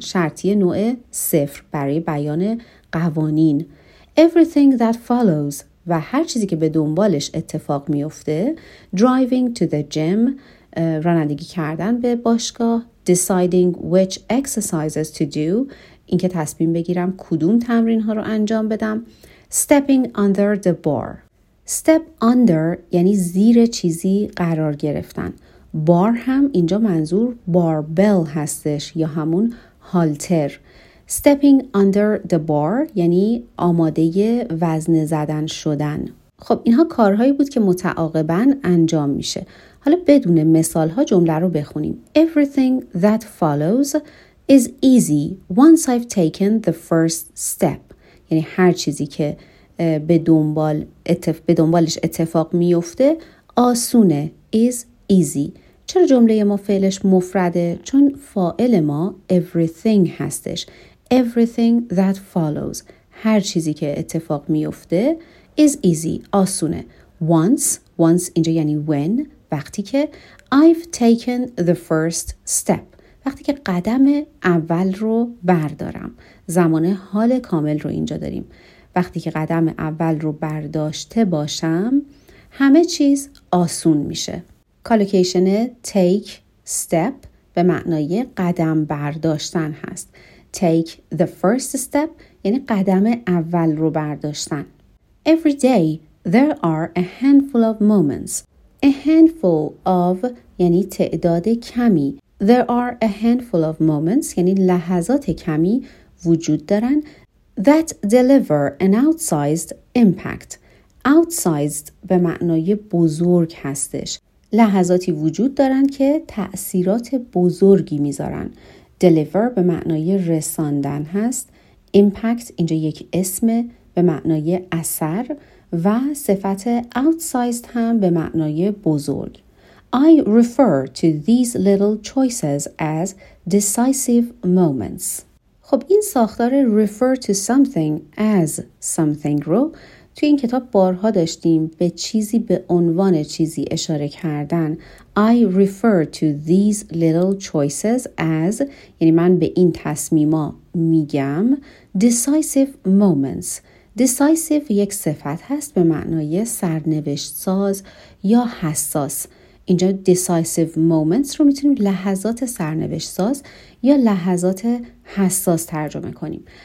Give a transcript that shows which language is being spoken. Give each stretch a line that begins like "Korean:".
Persian: شرطی نوع صفر برای بیان قوانین.
English: Everything that follows
Persian: و هر چیزی که به دنبالش اتفاق میفته.
English: Driving to the gym.
Persian: رانندگی کردن به باشگاه.
English: Deciding which exercises to do.
Persian: این که تصمیم بگیرم کدوم تمرین ها رو انجام بدم.
English: Stepping under the bar. Step under
Persian: یعنی زیر چیزی قرار گرفتن. بار هم اینجا منظور باربل هستش یا همون هالتر.
English: Stepping under the bar
Persian: یعنی آماده وزن زدن شدن. خب اینها کارهایی بود که متعاقبا انجام میشه. حالا بدون مثالها جمله رو بخونیم.
English: Everything that follows is easy once I've taken the first step.
Persian: یعنی هر چیزی که به دنبالش اتفاق میفته آسونه.
English: Is easy.
Persian: چرا جمله ما فعلش مفرده؟ چون فاعل ما everything هستش.
English: Everything that follows.
Persian: هر چیزی که اتفاق میفته
English: is easy.
Persian: آسونه.
English: Once
Persian: اینجا یعنی
English: when.
Persian: وقتی که
English: I've taken the first step.
Persian: وقتی که قدم اول رو بردارم. زمان حال کامل رو اینجا داریم. وقتی که قدم اول رو برداشته باشم همه چیز آسون میشه. کالوکیشن take step به معنای قدم برداشتن هست.
English: Take the first step
Persian: یعنی قدم اول رو برداشتن.
English: Every day there are a handful of moments. A handful of
Persian: یعنی تعداد کمی.
English: There are a handful of moments
Persian: یعنی لحظات کمی وجود دارن.
English: That deliver an outsized impact.
Persian: Outsized به معنای بزرگ هستش. لحظاتی وجود دارن که تأثیرات بزرگی میذارن. Deliver به معنای رساندن هست. Impact اینجا یک اسم به معنای اثر و صفت outsized هم به معنای بزرگ.
English: I refer to these little choices as decisive moments.
Persian: خب این ساختار
English: refer to something as something
Persian: رو توی این کتاب بارها داشتیم. به چیزی به عنوان چیزی اشاره کردن.
English: I refer to these little choices as
Persian: یعنی من به این تصمیما میگم.
English: Decisive moments.
Persian: Decisive یک صفت هست به معنای سرنوشت ساز یا حساس. اینجا
English: decisive moments
Persian: رو میتونیم لحظات سرنوشت ساز یا لحظات حساس ترجمه کنیم.